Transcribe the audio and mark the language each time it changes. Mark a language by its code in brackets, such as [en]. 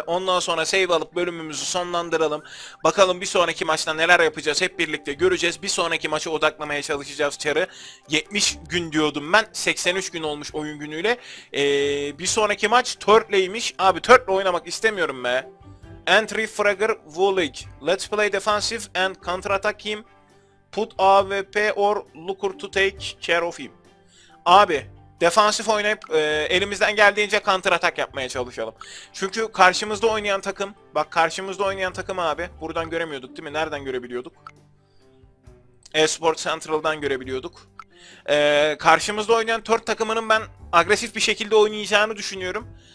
[tr] Ondan sonra save alıp bölümümüzü sonlandıralım. Bakalım bir sonraki maçta neler yapacağız hep birlikte göreceğiz. Bir sonraki maça odaklamaya çalışacağız çarı. 70 gün diyordum ben. 83 gün olmuş oyun günüyle. Bir sonraki maç Turtle'ymiş. Abi Turtle oynamak istemiyorum be. [en] Entry Fragger Woolig. Let's play defensive and counter attack him. Put AWP or Looker to take care of him. [tr] Abi. Defansif oynayıp elimizden geldiğince counter atak yapmaya çalışalım. Çünkü karşımızda oynayan takım, bak karşımızda oynayan takım abi, buradan göremiyorduk değil mi? Nereden görebiliyorduk? Esport Central'dan görebiliyorduk. Karşımızda oynayan Turtle takımının ben agresif bir şekilde oynayacağını düşünüyorum.